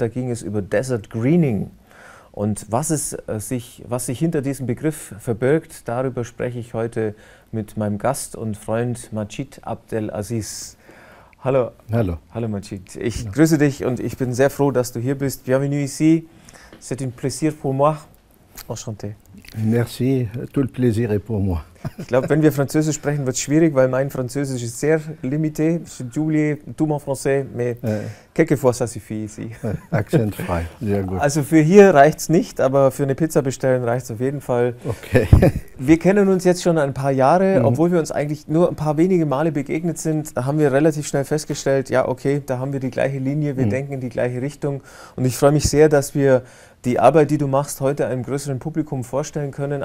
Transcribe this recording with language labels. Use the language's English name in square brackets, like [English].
[German] Da ging es über Desert Greening. Und was sich hinter diesem Begriff verbirgt, darüber spreche ich heute mit meinem Gast und Freund Majid Abdelaziz. Hallo. Hallo. Hallo Majid. Ich grüße dich und ich bin sehr froh, dass du hier bist. [French] Bienvenue ici. C'est un plaisir pour moi. Enchanté. Merci. Tout le plaisir est pour moi. [German] Ich glaube, wenn wir Französisch sprechen, wird es schwierig, weil mein Französisch ist sehr limité. [French] Je parle tout mon français, mais quelquefois ça suffit ici. [German] Akzentfrei, sehr gut. Also für hier reicht es nicht, aber für eine Pizza bestellen reicht es auf jeden Fall. Okay. Wir kennen uns jetzt schon ein paar Jahre, obwohl wir uns eigentlich nur ein paar wenige Male begegnet sind, haben wir relativ schnell festgestellt, ja okay, da haben wir die gleiche Linie, wir denken in die gleiche Richtung. Und ich freue mich sehr, dass wir die Arbeit, die du machst, heute einem größeren Publikum vorstellen können.